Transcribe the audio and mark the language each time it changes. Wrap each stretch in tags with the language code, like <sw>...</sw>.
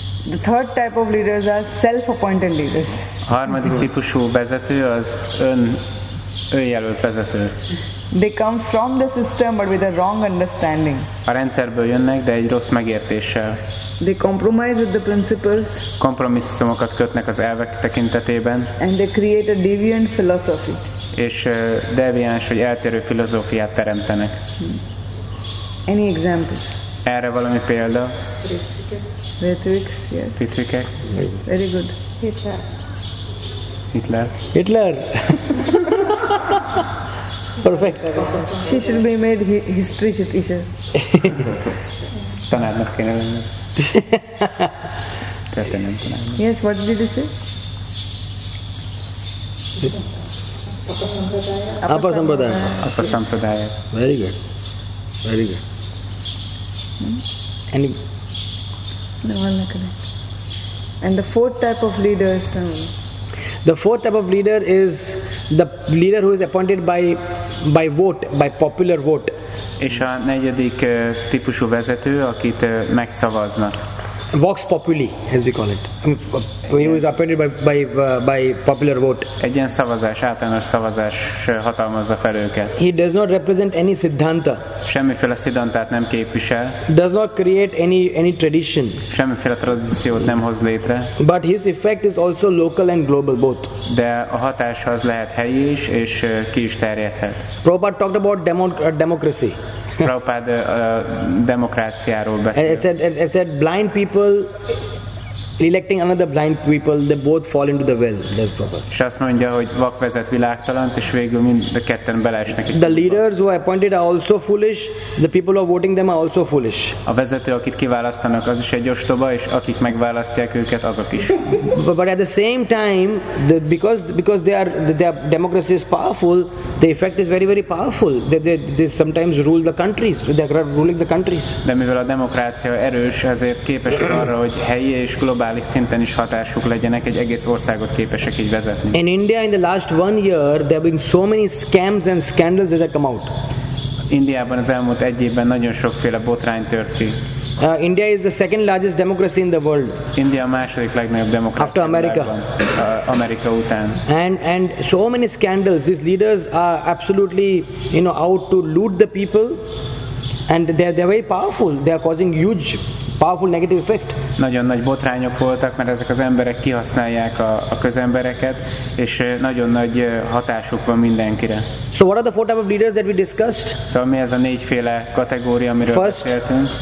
<en>The third type of leaders are self-appointed leaders.</en> <hu>A harmadik típusú vezető az önjelölt vezető.</hu> <en>They come from the system but with a wrong understanding.</en> <hu>A rendszerből jönnek, de egy rossz megértéssel.</hu> <en>They compromise with the principles.</en> <hu>Kompromisszumokat kötnek az elvek tekintetében.</hu> <en>And they create a deviant philosophy.</en> <hu>És deviáns vagy eltérő filozófiát teremtenek.</hu> <en>Any examples?</en> <hu>Erre valami példa?</hu> <en>Rhetorics, yes. Pitrike. Very good. Hitler. Hitler. Perfect. She should be made history teacher.</en> <hu>Tanárnak kéne lenni.</hu> <en>Yes, what did you say? Apa sampradaya. Apa sampradaya. Very good. Very good. Hmm? Any? No, I'm not correct. And the fourth type of leader is The fourth type of leader is the leader who is appointed by vote, by popular vote.</en> <hu>És a negyedik típusú vezető, akit megszavaznak.</hu> <la>Vox populi,</la> <en>as we call it. Who is appointed by popular vote.</en> <hu>Egy ilyen szavazás, általános szavazás hatalmazza fel őket.</hu> <en>He does not represent any siddhanta.</en> <hu>Semmiféle siddhantát nem képvisel.</hu> <en>Does not create any tradition.</en> <hu>Semmiféle tradíciót nem hoz létre.</hu> <en>But his effect is also local and global both.</en> <hu>De a hatás az lehet helyi is, és ki is terjedhet.</hu> <en>Prabhupada talked about democracy.</en> <hu>Prabhupada demokráciáról beszélt.</hu> <en>I said blind people electing another blind people, they both fall into the well. That's Prabhupada.</en> <hu>És azt mondja, hogy vak vezet világtalant, és végül mind a ketten beleesnek.</hu> <en>The leaders who are appointed are also foolish, the people who are voting them are also foolish.</en> <hu>A vezető, akit kiválasztanak, az is egy ostoba, és akik megválasztják őket, azok is.</hu> <en>But at the same time, because their democracy is powerful, the effect is very very powerful. They sometimes rule the countries. They are ruling the countries.</en> <hu>De mivel a demokrácia erős, ezért képesek arra, hogy helyi és globális szinten is hatásuk legyenek, egy egész országot képesek így vezetni.</hu> <en>In India in the last one year there have been so many scams and scandals that have come out.</en> <hu>Indiában az elmúlt egy évben nagyon sokféle botrány tört ki.</hu> <en>India is the second largest democracy in the world.</en> <hu>India a második legnagyobb demokrácia.</hu> <en>After America.</en> <hu>Amerika után.</hu> <en>And so many scandals, these leaders are absolutely, you know, out to loot the people and they're very powerful. They are causing huge powerful negative effect.</en> <hu>Nagyon nagy botrányok voltak, mert ezek az emberek kihasználják a közembereket, és nagyon nagy hatásuk van mindenkire.</hu> <en>So what are the four type of leaders that we discussed?</en> <hu>So mi ez a négyféle kategória, amiről beszéltünk?</hu>